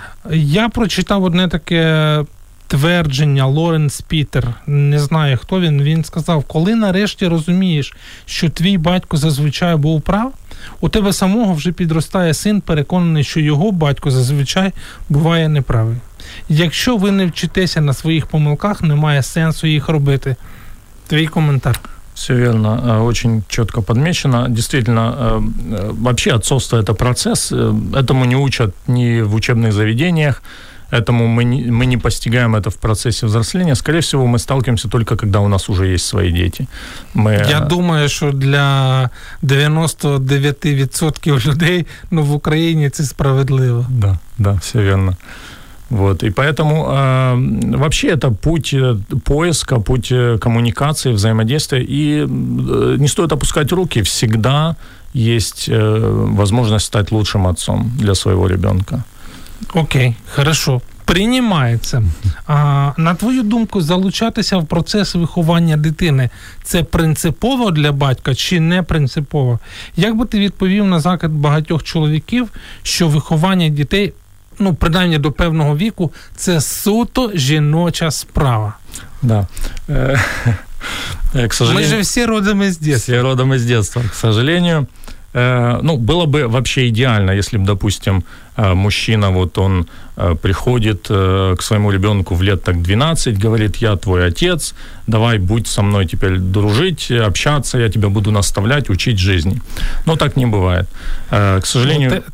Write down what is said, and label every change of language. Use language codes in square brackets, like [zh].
[uk] Я прочитав одне таке твердження Лоренс Пітер, не знаю, хто він сказав, коли нарешті розумієш, що твій батько зазвичай був прав, у тебе самого вже підростає син, переконаний, що його батько зазвичай буває неправий. Якщо ви не вчитеся на своїх помилках, немає сенсу їх робити. Твій коментар. [ru] Все верно, очень четко подмечено. Действительно, вообще отцовство – это процесс. Этому не учат ни в учебных заведениях, этому мы не постигаем это в процессе взросления. Скорее всего, мы сталкиваемся только, когда у нас уже есть свои дети. Я думаю, что для 99% людей, ну, в Украине это справедливо. Да, да, все верно. Вот, и поэтому вообще это путь поиска, путь коммуникации, взаимодействия. И не стоит опускать руки, всегда есть возможность стать лучшим отцом для своего ребенка. Окей, хорошо. Принимается. [uk] На твою думку, залучатися в процес виховання дитини – це принципово для батька чи не принципово? Як би ти відповів на закид багатьох чоловіків, що виховання дітей – ну, принаймні до певного віку, це суто жіноча справа. Да. Ми же всі родом із дитинства. Всі родом із дитинства, [ru] к сожалению. Ну, было бы вообще идеально, если бы, допустим, мужчина, вот он приходит к своему ребенку в лет так 12, говорит, я твой отец, давай будь со мной теперь дружить, общаться, я тебя буду наставлять, учить жизни. Но так не бывает. К сожалению...